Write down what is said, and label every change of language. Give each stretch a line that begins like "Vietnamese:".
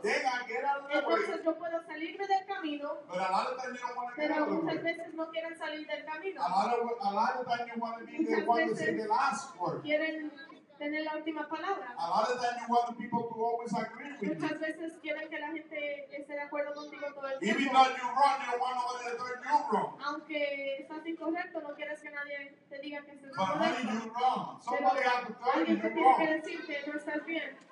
Spanish: Entonces yo puedo salirme del camino, pero muchas veces no quieren salir del camino.
English: A lot of times you want to be the one to say the last word.
Spanish: Quieren tener la última palabra.
English: A lot of times you want the people to always agree with you.
Spanish: Muchas veces quieren que la gente esté de acuerdo contigo todo el tiempo.
English: Even though you're wrong, you don't want nobody to tell you wrong.
Spanish: Aunque estás incorrecto, no quieres que nadie te diga que estás correcto.
English: But when you're wrong, somebody has to tell you you're wrong.
Spanish: Alguien te tiene que decirte, no estás bien.